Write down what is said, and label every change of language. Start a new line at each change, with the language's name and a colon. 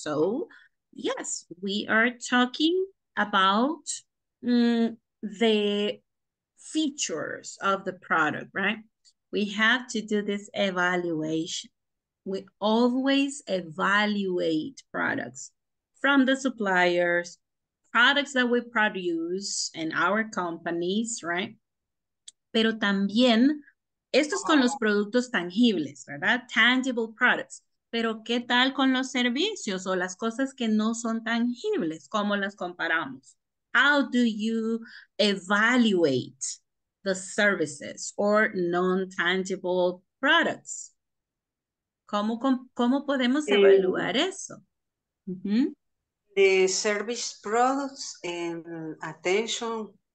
English: So, yes, we are talking about the features of the product, right? We have to do this evaluation. We always evaluate products from the suppliers, products that we produce in our companies, right?
Spanish: Pero también, esto es con los productos tangibles, ¿verdad?
English: Tangible products.
Spanish: Pero ¿qué tal con los servicios o las cosas que no son tangibles? ¿Cómo las comparamos?
English: How do you evaluate the services or non-tangible products?
Spanish: ¿Cómo podemos evaluar eso? Mm-hmm.
English: The service products and attention,